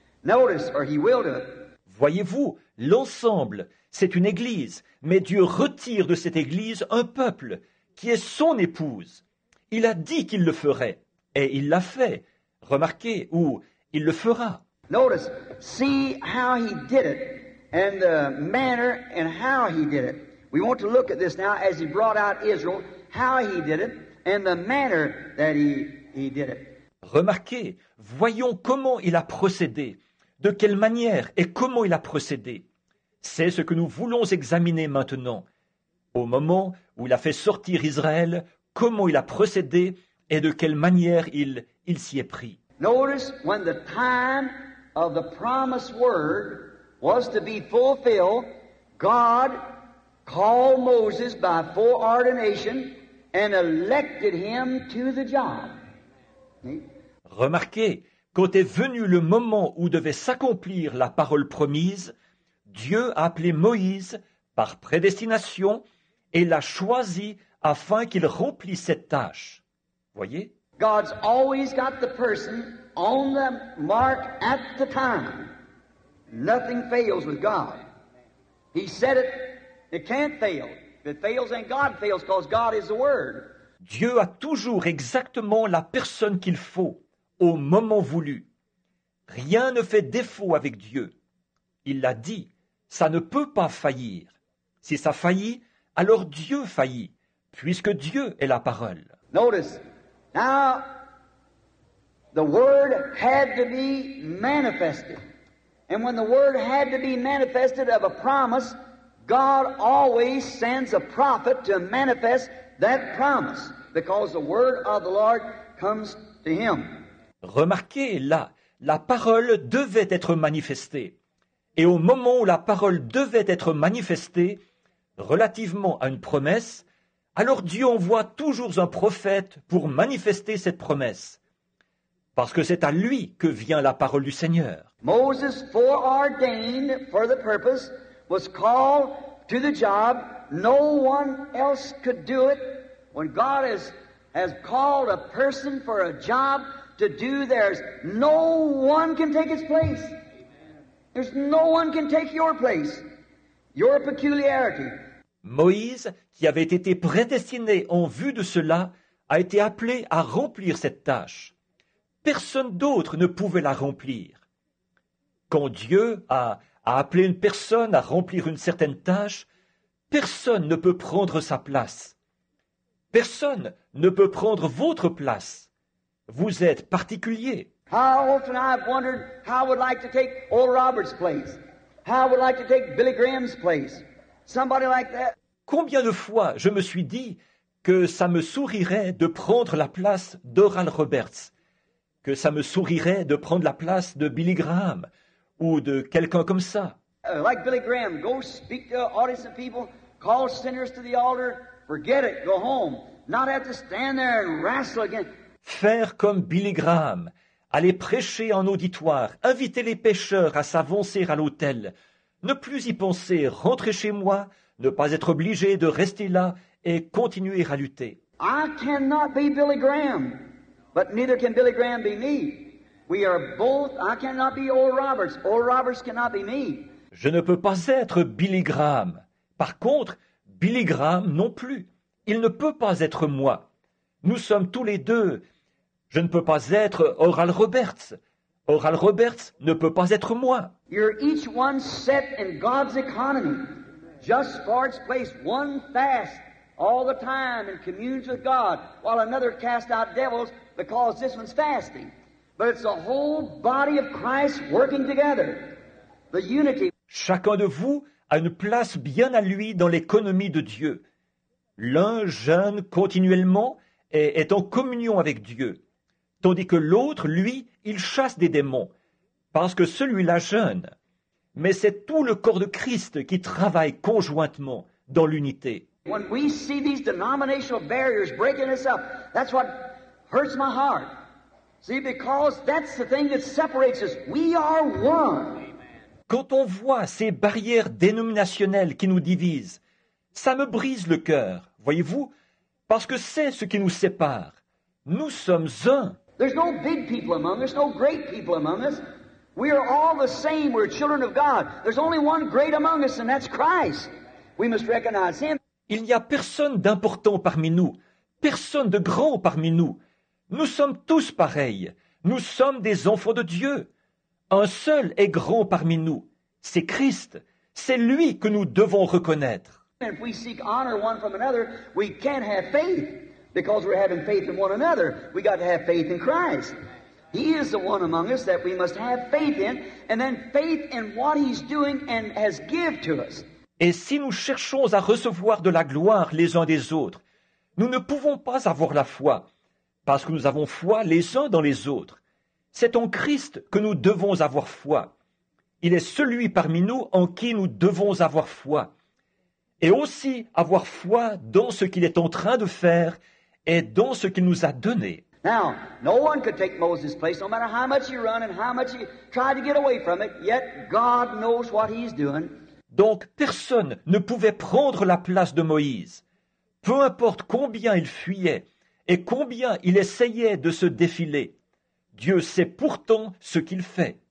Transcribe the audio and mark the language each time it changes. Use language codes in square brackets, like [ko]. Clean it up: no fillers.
[en] Notice, or he will do it. [fr] Voyez-vous, l'ensemble, c'est une Église, mais Dieu retire de cette Église un peuple qui est son épouse. Il a dit qu'il le ferait, et il l'a fait. Remarquez, ou il le fera. [en] Notice, see how he did it, and the manner and how he did it. We want to look at this now as he brought out Israel, how he did it, and the manner that he did it. [fr] Remarquez, voyons comment il a procédé, de quelle manière et comment il a procédé. C'est ce que nous voulons examiner maintenant. Au moment où il a fait sortir Israël, comment il a procédé et de quelle manière il s'y est pris. [en] Notice when the time of the promised word was to be fulfilled, God called Moses by foreordination and elected him to the job. [fr] Remarquez, quand est venu le moment où devait s'accomplir la parole promise, Dieu a appelé Moïse par prédestination et l'a choisi afin qu'il remplisse cette tâche. Voyez? [en] God's always got the person on the mark at the time. Nothing fails with God. He said it, it can't fail. If it fails, then God fails because God is the Word. [fr] Dieu a toujours exactement la personne qu'il faut. Au moment voulu. Rien ne fait défaut avec Dieu. Il l'a dit, ça ne peut pas faillir. Si ça faillit, alors Dieu faillit, puisque Dieu est la parole. [en] Notice, now, the word had to be manifested. And when the word had to be manifested of a promise, God always sends a prophet to manifest that promise, because the word of the Lord comes to him. [fr] Remarquez là, la parole devait être manifestée. Et au moment où la parole devait être manifestée, relativement à une promesse, alors Dieu envoie toujours un prophète pour manifester cette promesse. Parce que c'est à lui que vient la parole du Seigneur. [en] Moses, foreordained for the purpose, was called to the job. No one else could do it. When God has called a person for a job, to do theirs, no one can take his place. There's no one can take your place, your peculiarity. [fr] Moïse, qui avait été prédestiné en vue de cela, a été appelé à remplir cette tâche. Personne d'autre ne pouvait la remplir. Quand Dieu a appelé une personne à remplir une certaine tâche, personne ne peut prendre sa place. Personne ne peut prendre votre place. Vous êtes particulier. [en] How often I've wondered how I would like to take Oral Roberts' place. How would I like to take Billy Graham's place? Somebody like that. [fr] Combien de fois je me suis dit que ça me sourirait de prendre la place d'Oral Roberts, que ça me sourirait de prendre la place de Billy Graham ou de quelqu'un comme ça. [en] Like Billy Graham, go speak to audience of people, call sinners to the altar, forget it, go home. Not have to stand there and wrestle again. [fr] Faire comme Billy Graham, aller prêcher en auditoire, inviter les pécheurs à s'avancer à l'autel, ne plus y penser, rentrer chez moi, ne pas être obligé de rester là et continuer à lutter. [en] I cannot be Billy Graham, but neither can Billy Graham be me. We are both, I cannot be Oral Roberts, Oral Roberts cannot be me. [fr] Je ne peux pas être Billy Graham. Par contre, Billy Graham non plus. Il ne peut pas être moi. Nous sommes tous les deux. Je ne peux pas être Oral Roberts. Oral Roberts ne peut pas être moi. [en] You're each one set in God's economy. Just God's place, one fast all the time and communes with God, while another casts out devils because this one's fasting. But it's the whole body of Christ working together. The unity. [fr] Chacun de vous a une place bien à lui dans l'économie de Dieu. L'un jeûne continuellement et est en communion avec Dieu, tandis que l'autre, lui, il chasse des démons, parce que celui-là jeûne. Mais c'est tout le corps de Christ qui travaille conjointement dans l'unité. [en] When we see these denominational barriers breaking us up, that's what hurts my heart. See, because that's the thing that separates us. We are one. [fr] Quand on voit ces barrières dénominationnelles qui nous divisent, ça me brise le cœur, voyez-vous, parce que c'est ce qui nous sépare. Nous sommes un. [en] There's no big people among us, no great people among us. We are all the same, we're children of God. There's only one great among us, and that's Christ. We must recognize him. [fr] Il n'y a personne d'important parmi nous, personne de grand parmi nous. Nous sommes tous pareils. Nous sommes des enfants de Dieu. Un seul est grand parmi nous, c'est Christ. C'est lui que nous devons reconnaître. [en] If we seek honor one from another, we can't have faith because we're having faith in one another. We got to have faith in Christ. He is the one among us that we must have faith in, and then faith in what he's doing and has given to us. [fr] Et si nous cherchons à recevoir de la gloire les uns des autres, nous ne pouvons pas avoir la foi parce que nous avons foi les uns dans les autres. C'est en Christ que nous devons avoir foi. Il est celui parmi nous en qui nous devons avoir foi. Et aussi avoir foi dans ce qu'il est en train de faire et dans ce qu'il nous a donné. [en] Now, no one could take Moses' place, no matter how much he run and how much he tried to get away from it, yet God knows what he's doing. [fr] Donc, personne ne pouvait prendre la place de Moïse. Peu importe combien il fuyait et combien il essayait de se défiler, Dieu sait pourtant ce qu'il fait.